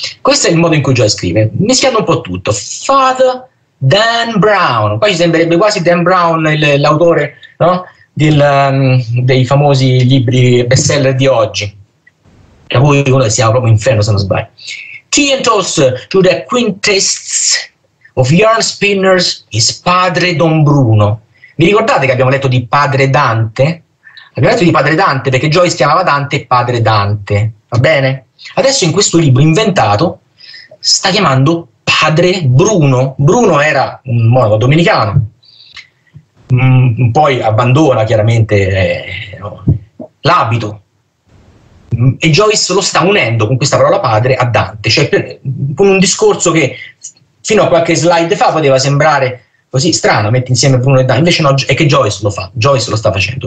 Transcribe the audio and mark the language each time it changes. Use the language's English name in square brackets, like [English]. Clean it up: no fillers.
[Italian] Questo è il modo in cui Joyce scrive, mischiando un po' tutto. Father Dan Brown, qua ci sembrerebbe quasi Dan Brown l'autore, no? Dei famosi libri bestseller di oggi, tra cui uno che si chiama proprio Inferno, se non sbaglio. [English] Tea and toast to the quintests of yarn spinners is [Italian] Padre Don Bruno. Vi ricordate che abbiamo letto di Padre Dante? Abbiamo letto di Padre Dante perché Joyce chiamava Dante Padre Dante, va bene? Adesso in questo libro inventato sta chiamando Padre Bruno. Bruno era un monaco domenicano. Poi abbandona chiaramente l'abito, e Joyce lo sta unendo con questa parola padre a Dante, cioè con un discorso che fino a qualche slide fa poteva sembrare così strano, metti insieme Bruno e Dante, invece no, è che Joyce lo fa, Joyce lo sta facendo.